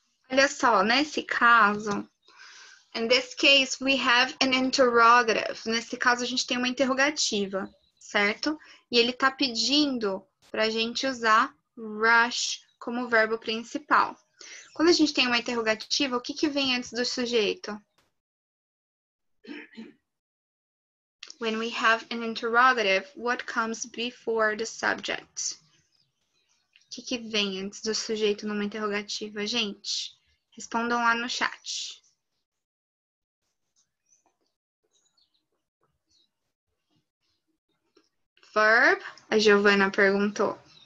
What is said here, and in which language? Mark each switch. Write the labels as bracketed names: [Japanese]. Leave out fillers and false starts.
[Portuguese] Olha só, nesse caso... [English] In this case, we have an interrogative. [Portuguese] Nesse caso, a gente tem uma interrogativa, certo? E ele tá pedindo pra gente usar rush como verbo principal. Quando a gente tem uma interrogativa, o que que vem antes do sujeito? [English] When we have an interrogative, what comes before the subject? [Portuguese] O que que vem antes do sujeito numa interrogativa, gente? Respondam lá no chat. Verb, a Giovana perguntou.